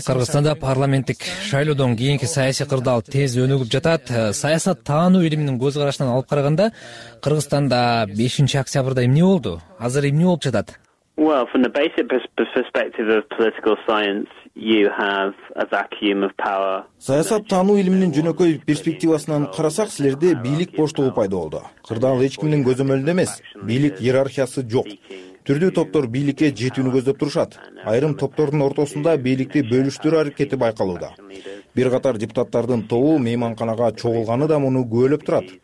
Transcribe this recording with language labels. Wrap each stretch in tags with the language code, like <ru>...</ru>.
<ky>Кыргызстанда парламенттик шайлоодон кийинки саясий кырдаал тез өнүгүп жатат. Саясат таануу илиминин көз карашынан алып караганда, Кыргызстанда 5-чи октябрда эмне болду? Азыр эмне болуп жатат?</ky> <en>Well, from the basic perspective of political science, you have a vacuum of power.</en> <ky>Саясат таануу илиминин жөнөкөй перспективасынан карасак, силерде бийлик боштугу пайда болду. Кырдаал эч кимдин көзөмөлүндө эмес. Бийлик иерархиясы жок. Түрдүү топтор бийликке жетүүнү көздөп турушат. Айрым топтордун ортосунда бийликти бөлүштүрүү аракети байкалууда. Бир катар депутаттардын тобу мейманканага чогулганы да муну күбөлөп турат.</ky>